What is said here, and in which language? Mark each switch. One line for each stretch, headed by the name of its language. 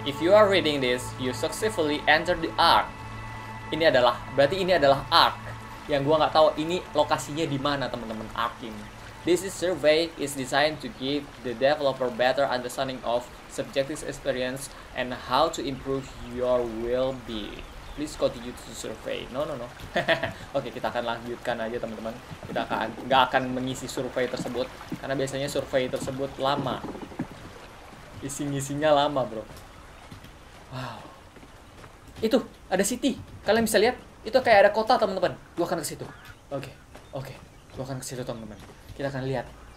English: If you are reading this, you successfully entered the ark.
Indonesian: Ini adalah, berarti ini adalah ark. Yang gue nggak tahu ini lokasinya di mana teman-teman ark ini.
English: This survey is designed to give the developer better understanding of subjective experience and how to improve your well-being. Please continue to survey.
Indonesian: No. Oke, kita akan lanjutkan aja teman-teman. Kita nggak akan mengisi survei tersebut karena biasanya survei tersebut lama. Isinya lama, bro. Wow. Itu ada city. Kalian bisa lihat itu kayak ada kota teman-teman. Gua akan ke situ. Oke. Gua akan ke situ teman-teman. Kita akan lihat.